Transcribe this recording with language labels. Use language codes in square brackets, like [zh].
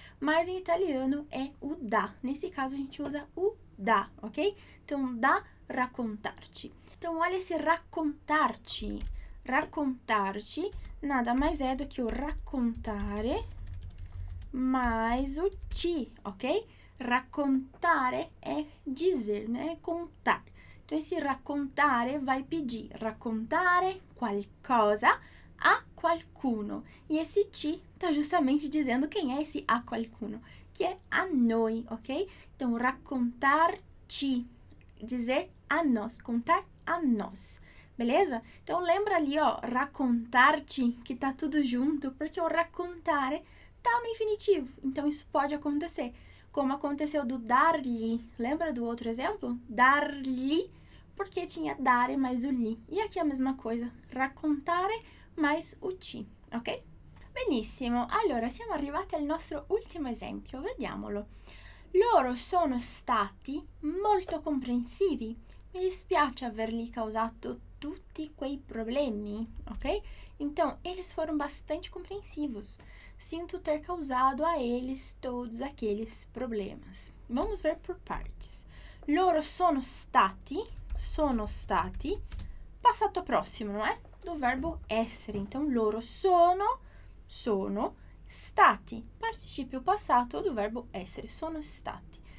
[pt] Mas em italiano é o da. Nesse caso a gente usa o da, ok? Então, [it] da raccontarti. [pt] Então, olha esse raccontarti. Raccontarti nada mais é do que o raccontare mais o ti, ok? Raccontare é dizer, né? Contar. Então, esse raccontare vai pedir [it] raccontare qualcosa a qualcuno. [pt] E esse ti tá justamente dizendo quem é esse [it] a qualcuno, [pt] que é [it] a noi, [pt] ok? Então, raccontarti, dizer a nós, contar a nós. Beleza? Então, lembra ali, ó, raccontarti, que tá tudo junto, porque o raccontare tá no infinitivo. Então, isso pode acontecer, como aconteceu do dar-lhe. Lembra do outro exemplo? Dar-lhe, porque tinha dare mais o li. E aqui a mesma coisa, raccontare mais o ti, ok? [it] Benissimo, allora, siamo arrivati al nostro ultimo esempio, vediamolo. Loro sono stati molto comprensivi. Mi dispiace averli causato tutti quei problemi, ok? [pt] Então, eles foram bastante compreensivos. Sinto ter causado a eles todos aqueles problemas. Vamos ver por partes. [it] Loro sono stati, passato próximo, [pt] não é? Do verbo essere. Então, [it] loro sono, stati, participio passato [pt] do verbo [it] essere, sono stati.